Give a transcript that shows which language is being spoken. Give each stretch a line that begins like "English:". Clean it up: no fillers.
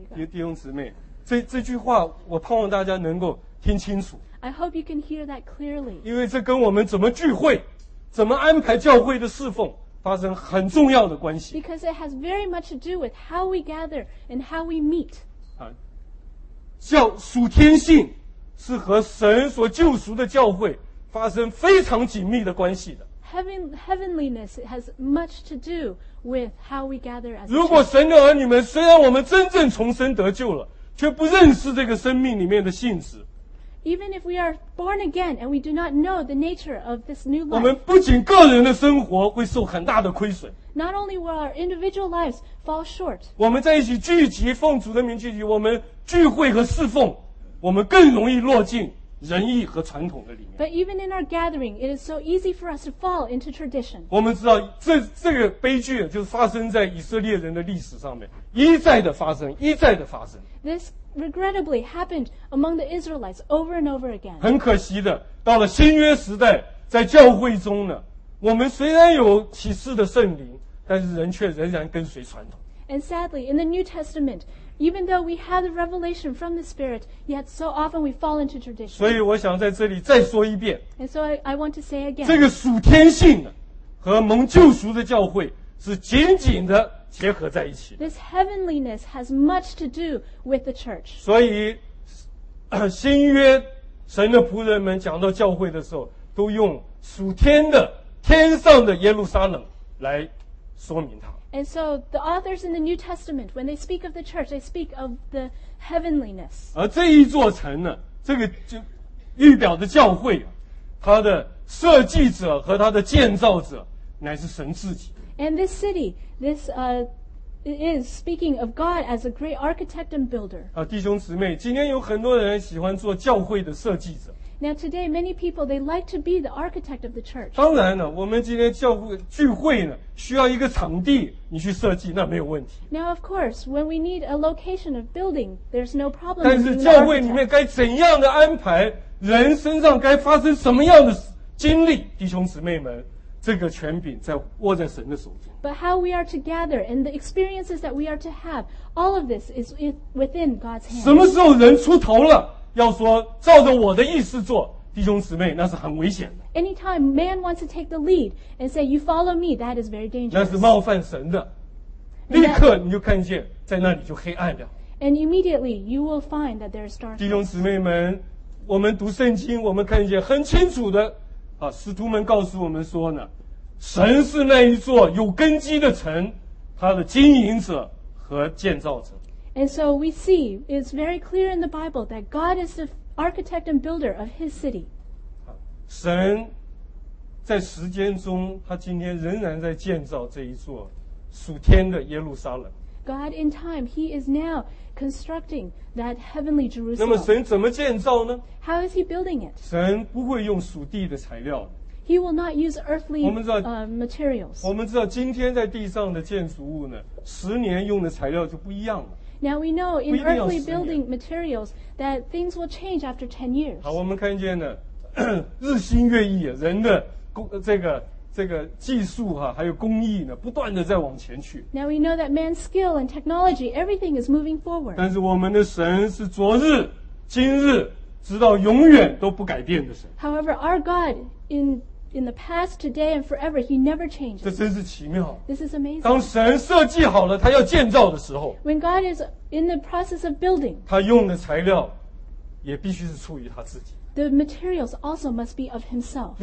Chinese: 弟兄姊妹，这句话，我盼望大家能够听清楚。
English: I hope you can hear that clearly.
Chinese: 因为这跟我们怎么聚会，怎么安排教会的侍奉。发生很重要的关系。
English: Because it has very much to do with how we gather and how we meet.
Chinese: 叫属天性是和神所救赎的教会发生非常紧密的关系的。
English: Heavenliness has much to do with how we gather as a church.
Chinese: 如果神的儿女们虽然我们真正重生得救了，却不认识这个生命里面的性质。
English: Even if we are born again and we do not know the nature of this new life,
Chinese: 我们不仅个人的生活会受很大的亏损。
English: Not only will our individual lives fall short.
Chinese: 我们在一起聚集，奉主的名聚集，我们聚会和侍奉，我们更容易落进仁义和传统的里面。
English: But even in our gathering, it is so easy for us to fall into tradition.
Chinese: 我们知道这个悲剧就是发生在以色列人的历史上面，一再的发生，一再的发生。
English: This regrettably happened among the Israelites over and over again.
Chinese: 很可惜的，到了新约时代，在教会中呢，我们虽然有启示的圣灵，但是人却仍然跟随传统。
English: And sadly, in the New Testament, even though we have the revelation from the Spirit, yet so often we fall into tradition.
Chinese: 所以我想在这里再说一遍。
English: And so I want to say again.
Chinese: 这个属天性的和蒙救赎的教会是紧紧的。结合在一起。
English: This heavenliness has much to do with the church.
Chinese: 所以，新约神的仆人们讲到教会的时候，都用属天的、天上的耶路撒冷来说明它。
English: And so the authors in the New Testament, when they speak of the church, they speak of the heavenliness.
Chinese: 而这一座城呢，这个就预表的教会，它的设计者和它的建造者乃是神自己。
English: And this city, this is speaking of God as a great architect and builder.
Chinese: 弟兄姊妹，今天有很多人喜欢做教会的设计者。
English: Now today, many people, they like to be the architect of the church.
Chinese: 当然了，我们今天教会聚会呢，需要一个场地，你去设计，那没有问题。
English: Now of course, when we need a location of building, there's no problem.
Chinese: 但是教会里面该怎样的安排，人身上该发生什么样的经历弟兄姊妹们这个权柄在握在神的手中。
English: But how we are to gather and the experiences that we are to have, all of this is within God's hands.
Chinese: 什么时候人出头了，要说照着我的意思做，弟兄姊妹，那是很危险的。
English: Anytime man wants to take the lead and say you follow me, that is very dangerous.
Chinese: 那是冒犯神的。立刻你就看见在那里就黑暗了。
English: And immediately you will find that there is darkness.
Chinese: 弟兄姊妹们，我们读圣经，我们看见很清楚的。啊，使徒们告诉我们说呢，神是那一座有根基的城，他的经营者和建造者。
English: And so we see it's very clear in the Bible that God is the architect and builder of His city.
Chinese: 神在时间中，他今天仍然在建造这一座属天的耶路撒冷。
English: God in time, He is now constructing that heavenly Jerusalem.
Chinese: 那么神怎么建造呢？
English: How is He building it?
Chinese: 神不会用属地的材料。
English: He will not use earthly materials.
Chinese: 我们知道今天在地上的建筑物呢，十年用的材料就不一样了。
English: Now we know in earthly building materials that things will change after 10 years.
Chinese: 好，我们看见呢，日新月异，人的这个技术哈、啊，还有工艺呢，不断的在往前去。
English: Now we know that man's skill and technology, everything is moving forward.
Chinese: 但是我们的神是昨日、今日，直到永远都不改变的神。
English: However, our God in the past, today, and forever, He never changes.
Chinese: 这真是奇妙。
English: This is amazing.
Chinese: 当神设计好了他要建造的时候
English: ，When God is in the process of building,
Chinese: 他用的材料也必须是出于他自己。
English: The materials also must be of himself.